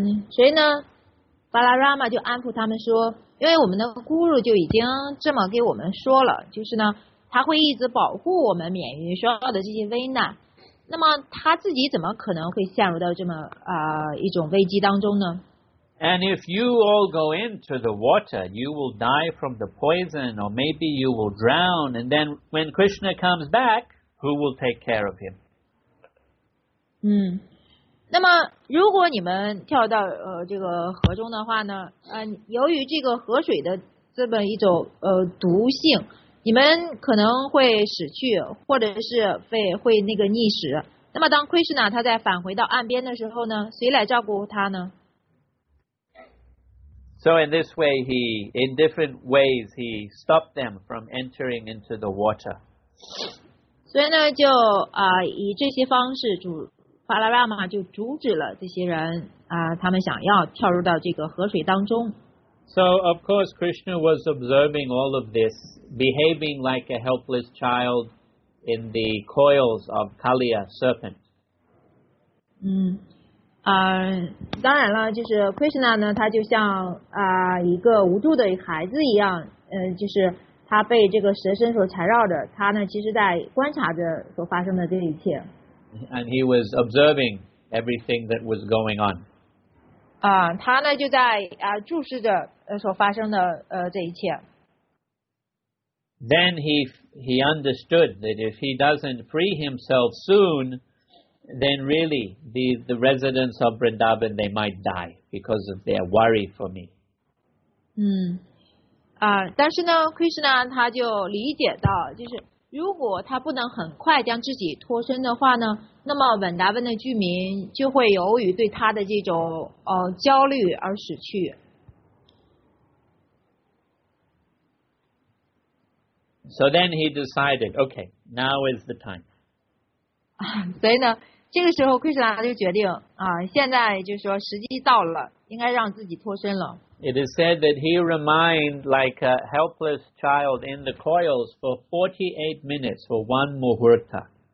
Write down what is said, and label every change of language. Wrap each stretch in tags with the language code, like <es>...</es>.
<zh>所以呢，巴拉拉玛就安抚他们说，因为我们的咕噜就已经这么给我们说了，就是呢，他会一直保护我们免于所有的这些危难。那么他自己怎么可能会陷入到这么一种危机当中呢</zh> <en>？And if you all go into the water, you will die from the poison, or maybe you will drown. And then when Krishna comes back, who will take care of him?</en> <zh>那么如果你们跳到这个河中的话呢，由于这个河水的这么一种毒性，你们可能会死去，或者是会那个溺死。那么当 Krishna 他在返回到岸边的时候呢，谁来照顾他呢</zh> <en>？So in this way, he in different ways he stopped them from entering into the water.</en> <zh>所以呢，就以这些方式主。巴拉拉玛就阻止了这些人他们想要跳入到这个河水当中。</zh> <en>So of course Krishna was observing all of this, behaving like a helpless child in the coils of Kaliya serpent.</en> <zh>当然了，就是 Krishna 呢，他就像一个无助的孩子一样，就是他被这个蛇身所缠绕着，他呢其实在观察着所发生的这一切。</zh> <en>And he was observing everything that was going on.</en> <zh>他呢就在注视着所发生的这一切。</zh> <en>Then he understood that if he doesn't free himself soon, then really the residents of Vrindavan they might die because of their worry for me.</en> <zh>但是呢 ，Krishna 他就理解到就是。如果他不能很快将自己脱身的话呢，那么稳达温的居民就会由于对他的这种焦虑而死去。</zh> <en>So then he decided, okay, now is the time.</en> <zh>所以呢，这个时候 Krishna 就决定现在就是说时机到了，应该让自己脱身了。</zh> <en>It is said that he remained like a helpless child in the coils for 48 minutes for one muhurta.</en>